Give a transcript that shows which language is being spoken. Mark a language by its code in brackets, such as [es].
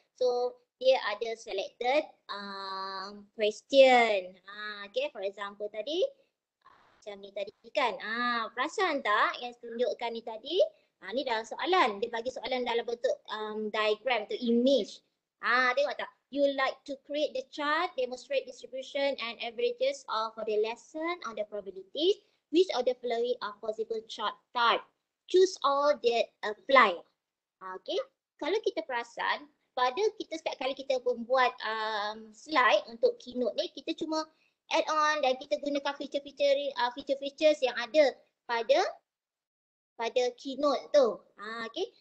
[ms] So, dia ada selected question. Okay, [en] for example [ms] tadi. Macam ni tadi kan. Perasan tak yang tunjukkan ni tadi? Ni dalam soalan. Dia bagi soalan dalam bentuk diagram tu, image. Tengok tak? [en] You like to create the chart, demonstrate distribution and averages of the lesson on the probabilities. Which of the following are possible chart type? Choose all that apply. Okay. [ms] Kalau kita perasan, pada kita setiap kali kita membuat slide untuk keynote ni, kita cuma add on dan kita gunakan feature-features yang ada pada keynote tu. Okay.